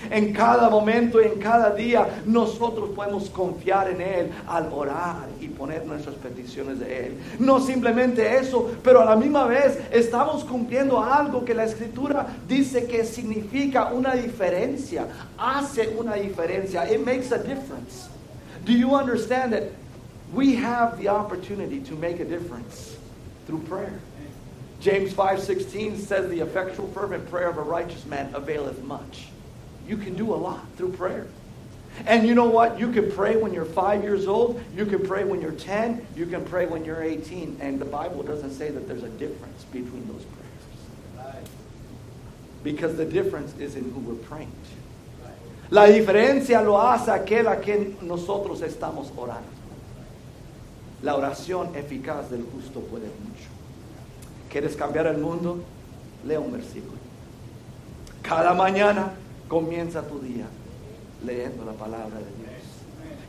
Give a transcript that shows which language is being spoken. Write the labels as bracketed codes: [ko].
[es] En cada momento y en cada día nosotros podemos confiar en Él al orar y poner nuestras peticiones de Él. No simplemente eso, pero a la misma vez estamos cumpliendo algo que la Escritura dice que significa una diferencia, hace una diferencia. [en] It makes a difference. Do you understand that we have the opportunity to make a difference through prayer? James 5:16 says, "The effectual, fervent prayer of a righteous man availeth much." You can do a lot through prayer. And you know what? You can pray when you're 5 years old. You can pray when you're 10. You can pray when you're 18. And the Bible doesn't say that there's a difference between those prayers. Because the difference is in who we're praying to. [es] La diferencia lo hace aquel a quien nosotros estamos orando. La oración eficaz del justo puede mucho. ¿Quieres cambiar el mundo? Lea un versículo. Cada mañana comienza tu día leyendo la palabra de Dios.